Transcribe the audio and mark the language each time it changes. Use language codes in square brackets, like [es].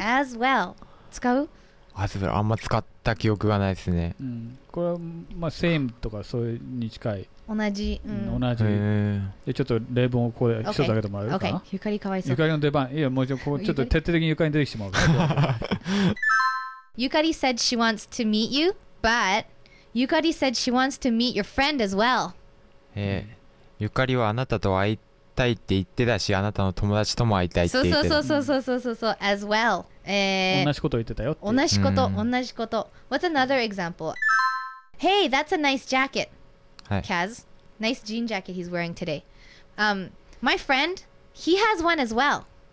[ja] as well 使う、 as well あんま使った記憶がないですね、うん、これはまあ same とかそれに近い、同じ、うん、同じ、でちょっと例文をここで一つだけでもあるかな、 [en] okay. Okay. [ja] ゆかりかわいそう、ゆかりの出番、いやもうちょっとここちょっと徹底的にゆかりに出てきてもらうから [en] ゆかり said she wants to meet you but ゆかり said she wants to meet your friend as well、 [ja] ゆかりはあなたと会いたいたいって言ってたし、あなたの友達とも会いたいって言ってた。そうそうそうそうそう、 as well、同じこと言ってたよって、同じこと、うん、同じこと。 [en] What's another example? Hey, that's a nice jacket、 [ja] はい、 [en] Kaz. Nice jean jacket he's wearing today、 My friend, he has one as well.